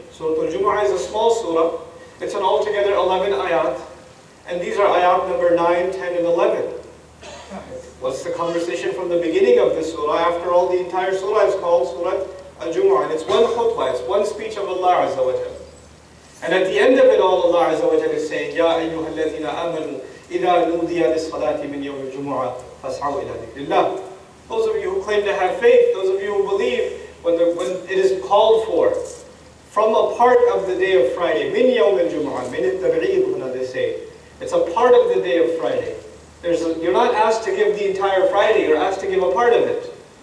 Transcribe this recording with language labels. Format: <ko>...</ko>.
<en>Surah Al-Jumu'ah is a small surah. It's an altogether 11 ayat. And these are ayat number 9, 10, and 11. What's the conversation from the beginning of this surah? After all, the entire surah is called Surah Al-Jumu'ah. And it's one khutbah, it's one speech of Allah Azza wa Jal. And at the end of it all, Allah Azza wa Jal is saying,</en> <ar>يَا أَيُّهَا الَّذِينَ آمَنُوا إِذَا نُودِيَ لِلصَّلَاةِ مِنْ يَوْمِ الْجُمُعَةِ فَاسْعَوْا إِلَى ذِكْرِ اللَّهِ.</ar> <en>Those of you who claim to have faith, those of you who believe, when it is called for, from a part of the day of Friday,</en> <ar>مِنْ يَوْمِ الْجُمُعَةِ مِنِ التَّبْعِيدُ,</ar> <en>they say, it's a part of the day of Friday. You're not asked to give the entire Friday, you're asked to give a part of it.</en>